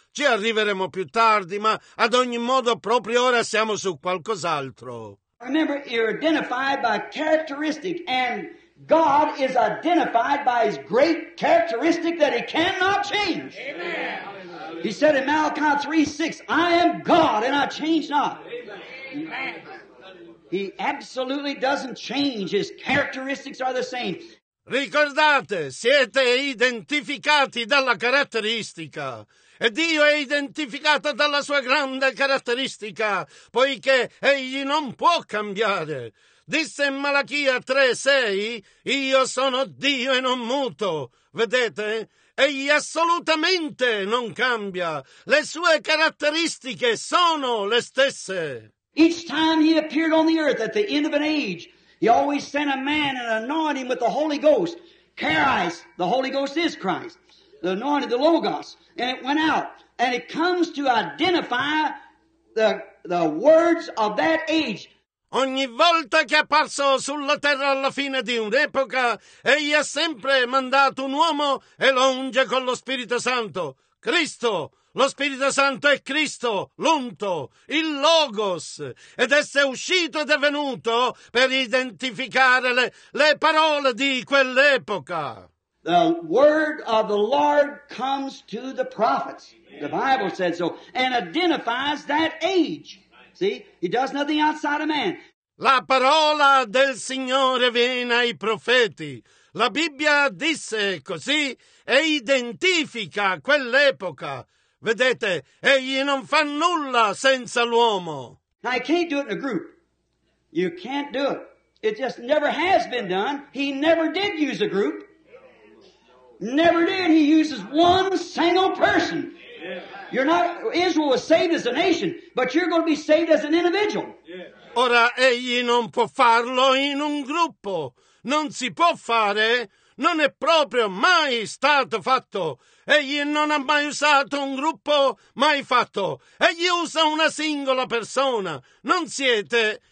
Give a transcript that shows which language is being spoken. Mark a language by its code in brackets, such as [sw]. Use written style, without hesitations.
[it] Ci arriveremo più tardi, ma ad ogni modo proprio ora siamo su qualcos'altro. [en] Remember, you're identified by characteristic, and God is identified by his great characteristic that he cannot change. Amen. He said in Malachi 3:6, I am God and I change not. Amen. He absolutely doesn't change. His characteristics are the same. [it] Ricordate, siete identificati dalla caratteristica. E Dio è identificato dalla sua grande caratteristica, poiché egli non può cambiare. Disse in Malachia 3:6, io sono Dio e non muto. Vedete? Egli assolutamente non cambia. Le sue caratteristiche sono le stesse. [en] Each time he appeared on the earth at the end of an age, he always sent a man and anointed him with the Holy Ghost. Christ, the Holy Ghost is Christ, the anointed, the Logos. And it went out. And it comes to identify the words of that age. [it] Ogni volta che è apparso sulla terra alla fine di un'epoca, egli ha sempre mandato un uomo e lo unge con lo Spirito Santo. Cristo, lo Spirito Santo è Cristo, l'unto, il Logos. Ed esse è uscito ed è venuto per identificare le parole di quell'epoca. [en] The word of the Lord comes to the prophets. The Bible said so. And identifies that age. See, he does nothing outside of man. [it] La parola del Signore viene ai profeti. La Bibbia disse così e identifica quell'epoca. Vedete, egli non fa nulla senza l'uomo. [en] Now, you can't do it in a group. You can't do it. It just never has been done. He never did use a group. Never did. He uses one single person. You're not, Israel was saved as a nation, but you're going to be saved as an individual. [it] Ora egli non può farlo in un gruppo. Non si può fare. Non è proprio mai stato fatto. Egli non ha mai usato un gruppo mai fatto. Egli usa una singola persona. Non siete.